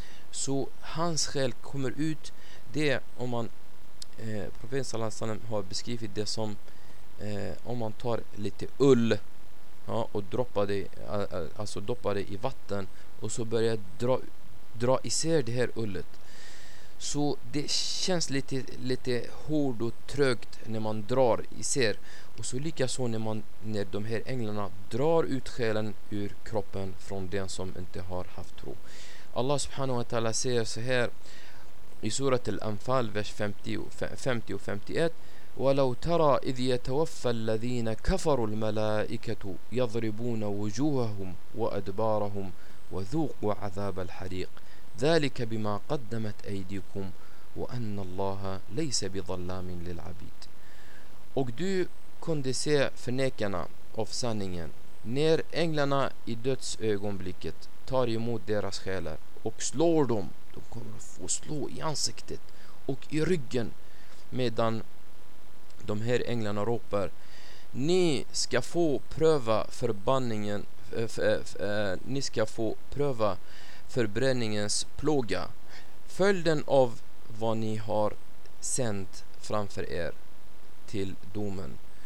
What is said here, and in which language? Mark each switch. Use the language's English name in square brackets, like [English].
[Swedish] Så hans själ kommer ut, det om man profeten sallallahu alaihi wasallam har beskrivit det som om man tar lite ull, ja, och droppar det, alltså doppar det i vatten och så börjar dra isär det här ullet. Så det känns lite hård och trögt när man drar isär. Och så likaså när de här änglarna drar ut själen ur kroppen från den som inte har haft tro. Allah subhanahu wa ta'ala säger så här i surat Al-Anfal, vers 50 och 51: [Arabic] وَلَوْ تَرَا إِذْ يَتَوَفَّ الَّذِينَ كَفَرُوا الْمَلَائِكَةُ يَضْرِبُونَ وُجُوهَهُمْ وَأَدْبَارَهُمْ وَذُوقُوا عَذَابَ الْحَرِيقِ ذَلِكَ بِمَا قَدَّمَتْ أَيْدِيكُمْ وأن الله ليس بظلام للعبيد. [Swedish] Och du kunde se förnekarna av sanningen när änglarna i dödsögonblicket tar emot deras själar och slår dem. De kommer att få slå i ansiktet och i ryggen medan de här änglarna ropar: ni ska få pröva förbanningen, ni ska få pröva förbränningens plåga, följden av vad ni har sänt framför er till domen.